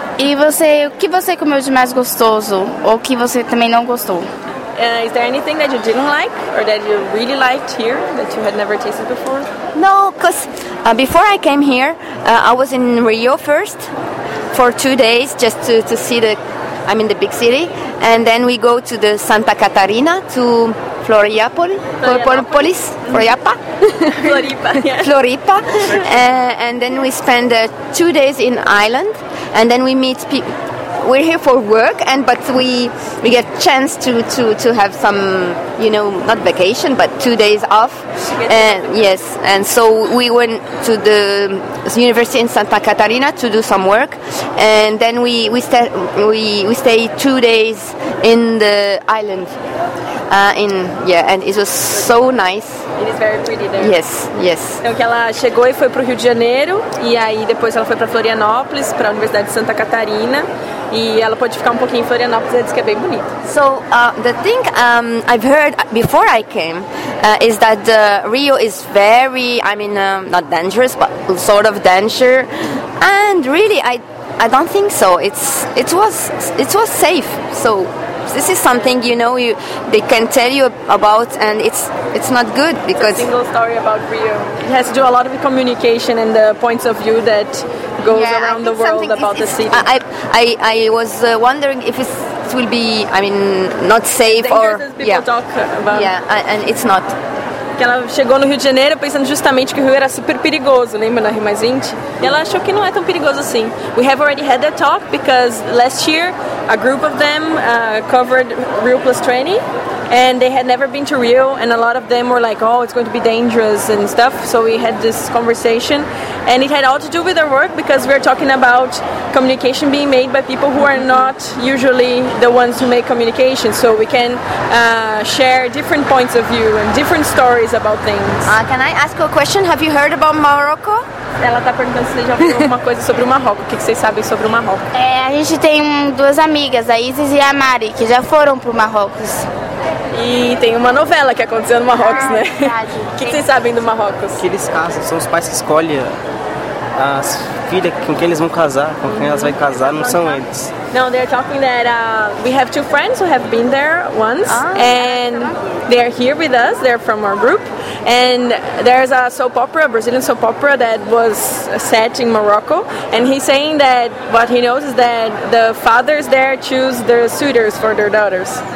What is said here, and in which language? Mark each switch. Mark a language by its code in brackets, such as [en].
[pt] E você, o que você comeu de mais gostoso ou que você também não gostou? [en] Is there anything that you didn't like or that you really liked here that you had never tasted before? No, because before I came here, I was in Rio first for 2 days just to see the big city, and then we go to the Santa Catarina to Floripa, and then we spend 2 days in Ireland, and then we meet people. We're here for work, but we get chance to have some, you know, not vacation, but 2 days off. Yes, and so we went to the university in Santa Catarina to do some work, and then we stay 2 days in the island. And it was so nice. It is very pretty there. Yes, yes. [pt] Então que ela chegou e foi para o Rio de Janeiro, e aí depois ela foi para Florianópolis, para a Universidade de Santa Catarina. E ela pode ficar um pouquinho em Florianópolis, ela diz que é bem bonito. [en] So, the thing I've heard before I came is that Rio is very, not dangerous, but sort of danger. And really, I don't think so. It was safe. So, this is something, you know, they can tell you about, and it's not good. Because it's a single story about Rio. It has to do a lot of communication and the points of view that... goes yeah, around I the world about the city. I was wondering if it will be, not safe or... People yeah. talk about. Yeah, and it's not. [pt] Que ela chegou no Rio de Janeiro pensando justamente que o Rio era super perigoso, lembra, na Rio Mais 20? E ela achou que não é tão perigoso assim. [en] We have already had that talk because last year a group of them covered Rio Plus 20 and they had never been to Rio, and a lot of them were like, oh, it's going to be dangerous and stuff. So we had this conversation, and it had all to do with our work, because we're talking about communication being made by people who are not usually the ones who make communication. So we can share different points of view and different stories about things. Can I ask you a question? Have you heard about Morocco? [pt] Ela está perguntando se você já falou alguma coisa sobre o Marrocos. O que vocês sabem sobre o Marrocos? É, a gente tem duas amigas, a Isis e a Mari, que já foram para o Marrocos. E tem uma novela que aconteceu no Marrocos, né? Verdade. O que vocês sabem do Marrocos? Que eles casam, são os pais que escolhem as filhas com quem eles vão casar, com quem elas vão casar, não são eles. [en] No, they're talking that we have two friends who have been there once, and they're here with us, they're from our group, and there's a soap opera, a Brazilian soap opera, that was set in Morocco, and he's saying that what he knows is that the fathers there choose the suitors for their daughters.